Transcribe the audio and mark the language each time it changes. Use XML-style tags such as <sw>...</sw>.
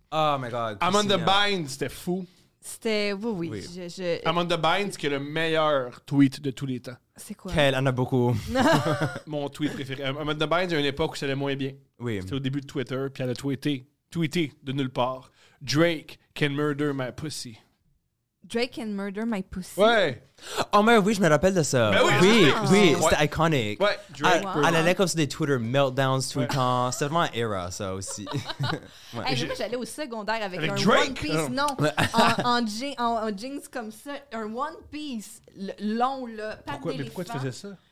<en>Oh my God. Christina.</en> <fr>Amanda Bynes, c'était fou. C'était... Oui, oui. Je... Amanda Bynes, qui est le meilleur tweet de tous les temps. C'est quoi? Quelle, en a beaucoup. Mon tweet préféré. Amanda Bynes, il y a une époque où ça allait moins bien. Oui. C'était au début de Twitter, puis elle a tweeté de nulle part.</fr> <en>Drake can murder my pussy. Drake can murder my pussy?</en> <fr>Ouais. Oh, mais oui, je me rappelle de ça. Mais oui, oui, oh. Oui, c'était iconique. Ouais, Drake. Wow. Elle allait comme sur des Twitter meltdowns tout le temps. C'était vraiment une era, ça aussi. Ouais. Hey, moi, j'allais au secondaire avec un Drake? One Piece. Non, en jeans comme ça. Un One Piece long, là. Pourquoi, mais pourquoi tu faisais ça?</fr>